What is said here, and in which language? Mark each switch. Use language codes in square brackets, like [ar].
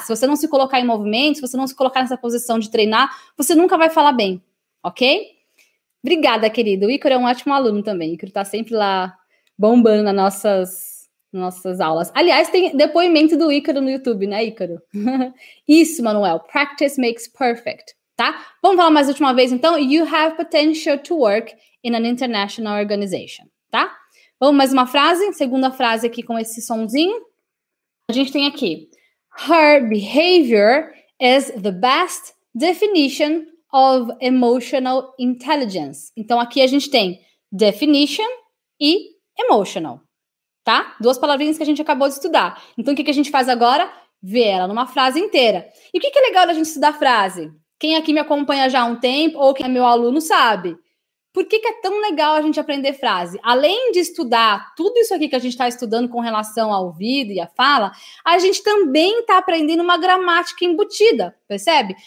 [pt] Se você não se colocar em movimento, se você não se colocar nessa posição de treinar, você nunca vai falar bem, ok? Obrigada, querido. O Ícaro é um ótimo aluno também. O Ícaro tá sempre lá bombando nas nossas aulas. Aliás, tem depoimento do Ícaro no YouTube, né, Ícaro? Isso, Manuel. [en] Practice makes perfect, [pt] tá? Vamos falar mais última vez, então. [en] You have potential to work in an international organization, [pt] tá? Vamos mais uma frase. Segunda frase aqui com esse sonzinho. A gente tem aqui. [en] Her behavior is the best definition of emotional intelligence. [pt] Então, aqui a gente tem definition e emotional, tá? Duas palavrinhas que a gente acabou de estudar. Então, o que a gente faz agora? Vê ela numa frase inteira. E o que é legal da gente estudar frase? Quem aqui me acompanha já há um tempo, ou quem é meu aluno, sabe. Por que é tão legal a gente aprender frase? Além de estudar tudo isso aqui que a gente está estudando com relação ao ouvido e à fala, a gente também está aprendendo uma gramática embutida, percebe?